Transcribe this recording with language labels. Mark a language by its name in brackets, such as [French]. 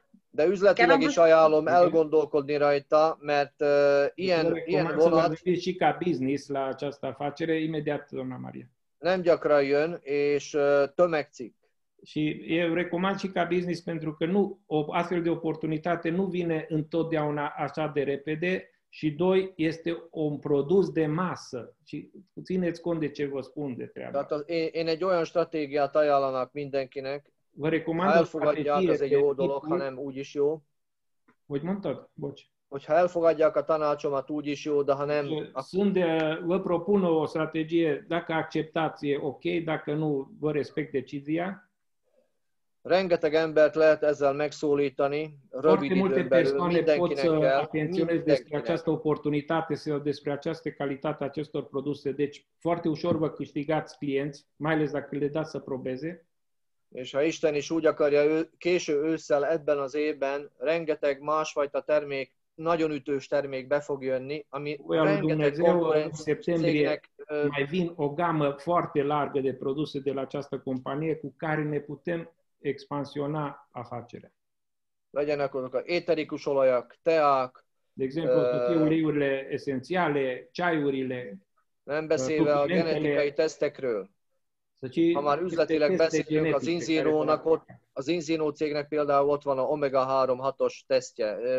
[Hungarian] De üzletileg is ajánlom elgondolkodni rajta, mert ilyen vonat... [Romanian] Și ca business la această afacere, imediat, doamna Maria. [Hungarian] Nem gyakran jön, és tömegcikk. [Romanian] Și eu recomand și ca business, pentru că nu, o astfel de oportunitate nu vine întotdeauna așa de repede, și doi, este un produs de masă. Și țineți cont de ce vă spun de treaba. [Hungarian] Tehát én egy olyan stratégiát ajánlanak mindenkinek. [Romanian] Vă recomand o strategie. [Hungarian] Ez egy jó dolog, hanem úgy is jó. Hogy mondtad? Bocs. Hogyha elfogadják a tanácsomat, úgy is jó, de ha nem... [Romanian] Vă propun o strategie, dacă acceptați, e ok, dacă nu, vă respect decizia. [Hungarian] Rengeteg embert lehet ezzel megszólítani, rövid időn belül mindenkinek kell. [Romanian] Atenționez despre această oportunitate, despre această calitate acestor produse. Deci foarte ușor vă câștigați clienți, mai ales dacă le dați să probeze. [Hungarian] És ha Isten is úgy akarja, késő ősszel ebben az évben rengeteg másfajta termék, nagyon ütős termék be fog jönni, ami olyan rengeteg konkurenciának [Romanian] mai vin o gamă foarte largă de produse de la această companie cu care ne putem expansiona afacerea. [Hungarian] Legyenek azok a éterikus olajak, teák. [Romanian] De exemplu, uleiurile esențiale, ceaiurile. [Hungarian] Nem beszélve a genetikai tesztekről. Ha már üzletileg beszélünk, az Inzinónak, az Inzinó cégnek például ott van a omega 3 6-os tesztje.